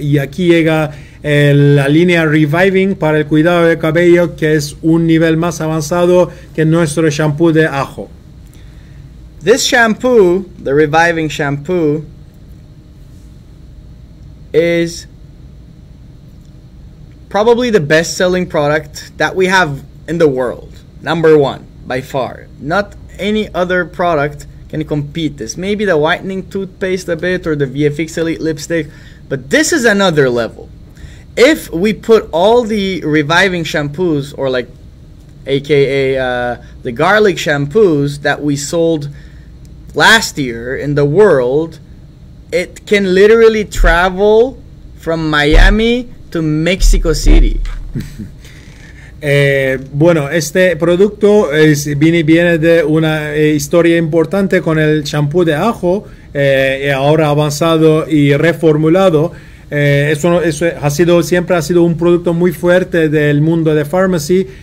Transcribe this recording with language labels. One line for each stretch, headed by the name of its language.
Spanish: Y aquí llega la línea Reviving para el cuidado de cabello, que es un nivel más avanzado que nuestro shampoo de ajo.
English: This shampoo, the reviving shampoo, is probably the best-selling product that we have in the world. Number one, by far. Not any other product can compete this. Maybe the whitening toothpaste a bit or the VFX Elite lipstick, but this is another level. If we put all the reviving shampoos, or like AKA the garlic shampoos that we sold last year in the world, it can literally travel from Miami to Mexico City.
Spanish: Bueno, este producto viene de una historia importante con el champú de ajo, ahora avanzado y reformulado. Ha sido un producto muy fuerte del mundo de Farmasi.